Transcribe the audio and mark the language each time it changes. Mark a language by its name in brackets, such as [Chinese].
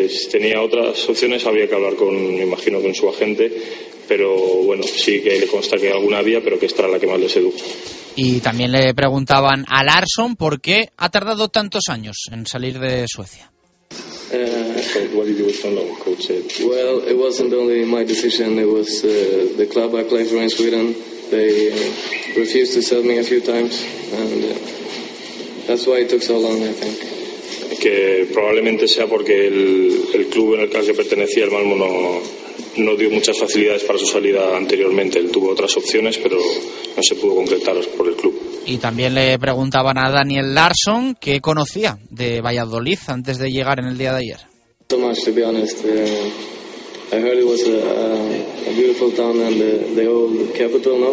[Spanish] Tenía otras opciones, había que hablar con, me imagino, con su agente. Pero bueno, sí que le consta que alguna había, pero que esta era la que más le sedujo. Y también le preguntaban a Larsson por qué ha tardado tantos años en salir de Suecia. [English] What did you do with Finland, coach? Well, it wasn't only my decision. It was the club I played for in Sweden. They refused to sell me a few times, and that's why it took so long, I think. [Spanish] Que probablemente sea porque el club en el que pertenecía, el Malmo, no dio muchas facilidades para su salida anteriormente. Él tuvo otras opciones, pero no se pudo concretar por el club. Y también le preguntaban a Daniel Larsson qué conocía de Valladolid antes de llegar en el día de ayer. [English] So much, to be honest. I heard it was a beautiful town and the old capital, no?